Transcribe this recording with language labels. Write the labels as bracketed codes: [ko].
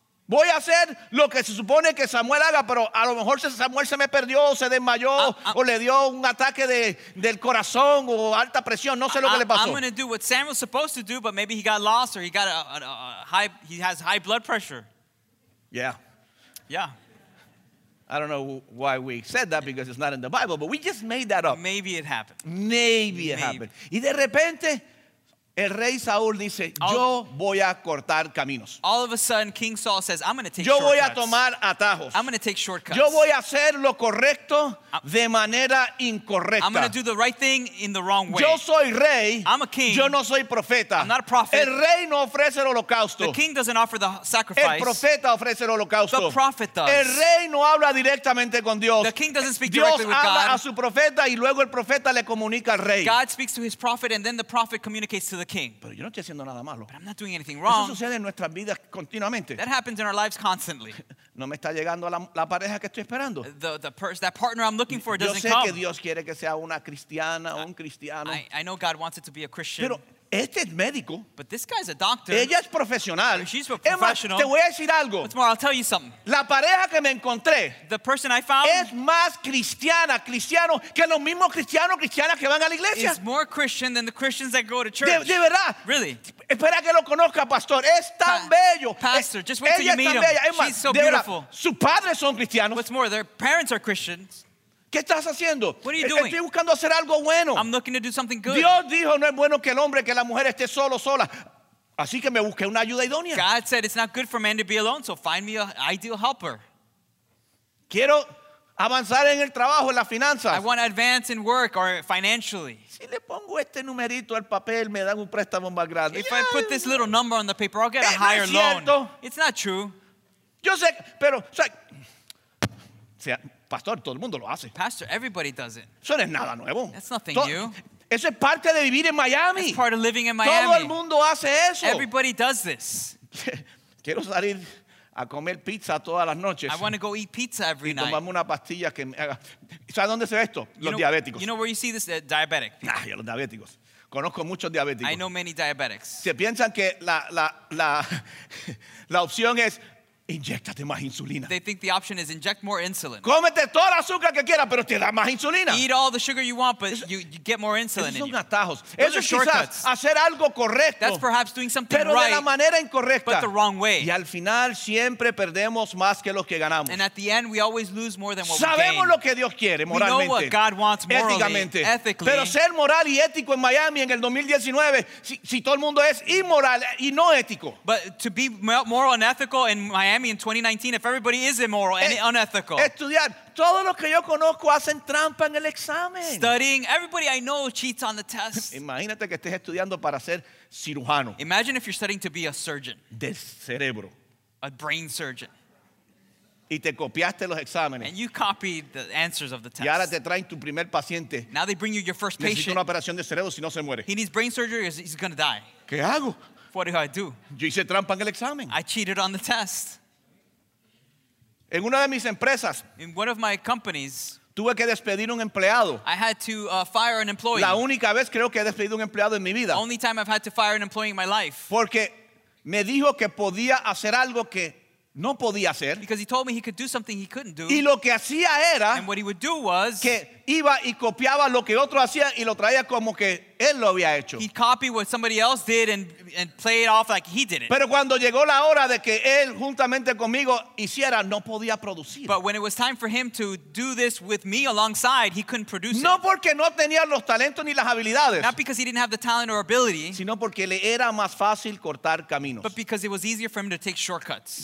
[es] Voy a hacer lo que se supone que Samuel haga, pero a lo mejor Samuel se me perdió, se desmayó, o le dio un ataque del corazón o alta presión. No sé lo que le pasó. [en] I'm going to do what Samuel's supposed to do, but maybe he got lost or he got he has high blood pressure. Yeah. Yeah. I don't know why we said that because it's not in the Bible, but we just made that up. Maybe it happened. Maybe it happened. [es] Y de repente, el rey Saúl dice, yo voy a cortar caminos. [en] All of a sudden, King Saul says, I'm going to take [es] yo [en] shortcuts. [es] Yo voy a tomar atajos. [en] I'm going to take shortcuts. [es] Yo voy a hacer lo correcto de manera incorrecta. [en] I'm going to do the right thing in the wrong way. [es] Yo soy rey. [en] I'm a king. [es] Yo no soy profeta. [en] I'm not a prophet. [es] El rey no ofrece el holocausto. [en] The king doesn't offer the sacrifice. [es] El profeta ofrece el holocausto. [en] The prophet does. [es] El rey no habla directamente con Dios. [en] The king doesn't speak [es] Dios Dios habla a su profeta y luego el profeta le comunica al rey. [en] God speaks to his prophet and then the prophet communicates to the king. [es] Pero yo no estoy haciendo nada malo. [en] But I'm not doing anything wrong. [es] Eso sucede en nuestras vidas continuamente. [en] That happens in our lives constantly. [es] No me está llegando la pareja que estoy esperando. [en] That partner I'm looking for doesn't come. [es] Yo sé que Dios quiere que sea una cristiana o un cristiano. [en] I know God wants it to be a Christian. [es] Pero este es médico. [en] But this guy's a doctor. [es] Ella es profesional. [en] She's a professional. [es] Te voy a decir algo. [en] What's more, I'll tell you something. [es] La pareja que me encontré. [en] The person I found. [es] Es más cristiano que los mismos cristianos cristianas que van a la iglesia. [en] Is more Christian than the Christians that go to church. [es] De verdad. [en] Really. [es] Espera que lo conozca, pastor. Es tan bello. [en] Pastor, just wait till you meet him. [es] Ella es tan bella. [en] She's so beautiful. [es] Sus padres son cristianos. [en] What's more, their parents are Christians. [es] ¿Qué estás haciendo? [en] What are you doing? [es] Estoy buscando hacer algo bueno. [en] I'm looking to do something good. [es] Dios dijo, no es bueno que el hombre, que la mujer esté solo, sola. Así que me busqué una ayuda idónea. [en] God said, it's not good for man to be alone, so find me an ideal helper. [es] Quiero avanzar en el trabajo, en las finanzas. [en] I want to advance in work or financially. [es] Si le pongo este numerito al papel, me dan un préstamo más grande. [en] If I put this little number on the paper, I'll get a higher loan. It's not true. [es] Yo sé, pero, o sea, pastor, todo el mundo lo hace. [en] Pastor, everybody does it. [es] Eso no es nada nuevo. [en] That's nothing new. [es] Eso es parte de vivir en Miami. [en] That's part of living in Miami. [es] Todo el mundo hace eso. [en] Everybody does this. [es] Quiero salir a comer pizza todas las noches. [en] I want to go eat pizza every night. [es] Y tomarme una pastilla que me haga. ¿Sabes dónde se ve esto? Los diabéticos. [en] You know where you see this? Diabetic. [es] Ah, ya los diabéticos. Conozco muchos diabéticos. [en] I know many diabetics. [es] Se piensan que la opción es inyectate más insulina. [en] They think the option is inject more insulin. [es] Cómete toda la azúcar que quieras, pero te da más insulina. [en] Eat all the sugar you want, but you get more insulin. [es] Esos son atajos. [en] Those are shortcuts. [es] Hacer algo correcto. [en] That's perhaps doing something [es] right. Pero de la manera incorrecta. [en] But the wrong way. [es] Y al final siempre perdemos más que lo que ganamos. [en] And at the end, we always lose more than what we gain. [es] Sabemos lo que Dios quiere moralmente. [en] We know what God wants morally, [es] éticamente. [en] Ethically. [es] Pero ser moral y ético en Miami en el 2019, si todo el mundo es inmoral y no ético. [en] But to be moral and ethical in Miami in 2019, if everybody is immoral and unethical. [es] Estudiar. Todo lo que yo conozco hacen trampa en el examen. [en] Studying. Everybody I know cheats on the test. [es] Imagínate que estés estudiando para ser cirujano. [en] Imagine if you're studying to be a surgeon. [es] Del cerebro. [en] A brain surgeon. [es] Y te copiaste los exámenes. [en] And you copied the answers of the test. [es] Y ahora te traen tu primer paciente. [en] Now they bring you your first patient. [es] Necesito una operación de cerebro, si no se muere. [en] He needs brain surgery or he's going to die. [es] ¿Qué hago? [en] What do I do? [es] Yo hice trampa en el examen. [en] I cheated on the test. [es] En una de mis empresas, [en] in one of my companies, [es] tuve que despedir un empleado. [en] I had to fire an employee. [es] La única vez creo que he despedido un empleado en mi vida. [en] Only time I've had to fire an employee in my life. [es] Porque me dijo que podía hacer algo que no podía hacer. [en] Because he told me he could do something he couldn't do. [es] Y lo que hacía era, [en] and what he would do was, [es] que iba y copiaba lo que otro hacía y lo traía como que él lo había hecho. [en] He'd copy what somebody else did and play it off like he did it. [es] Pero cuando llegó la hora de que él juntamente conmigo hiciera, no podía producir. [en] But when it was time for him to do this with me alongside, he couldn't produce. [es] No porque no tenía los talentos ni las habilidades. [en] Not because he didn't have the talent or ability. [es] Sino porque le era más fácil cortar caminos. [en] But because it was easier for him to take shortcuts.